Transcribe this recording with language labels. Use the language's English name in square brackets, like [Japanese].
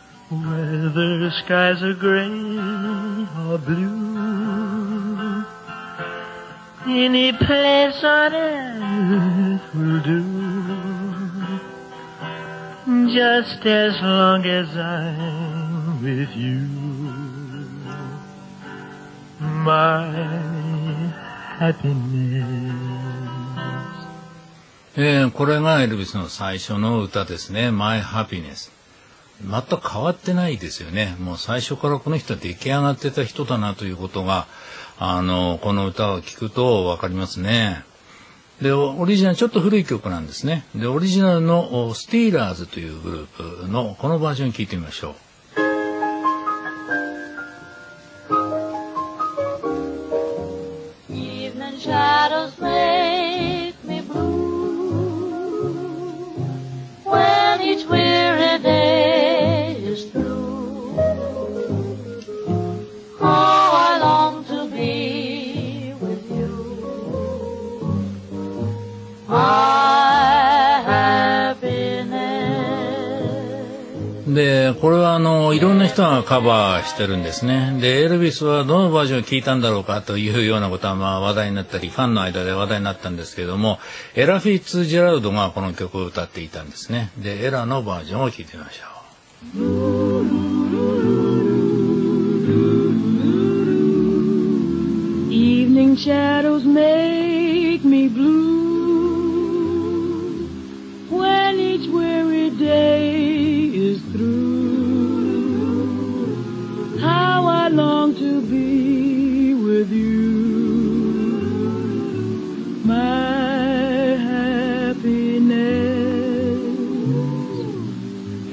[English] whether skies are gray or blue, any place on earth will do, just as long as I'm with you, my happiness。 [Japanese] これがエルビスの最初の歌ですね。 [English] My happiness。 [Japanese] 全く変わってないですよね。もう最初からこの人は出来上がってた人だなということがこの歌を聞くと分かりますね。でオリジナルちょっと古い曲なんですね。でオリジナルのスティーラーズというグループのこのバージョン聞いてみましょう。 [English] Shadows make me blue when each weary day is through. How I long to be with you, my happiness。 [Japanese] でこれはいろんな人がカバーしてるんですね。でエルビスはどのバージョンを聴いたんだろうかというようなことはまあ話題になったりファンの間で話題になったんですけども、エラ・フィッツ・ジェラルドがこの曲を歌っていたんですね。でエラのバージョンを聴いてみましょう。 [English] Evening shadows make me blue when each weary day is throughLong to be with you, my happiness.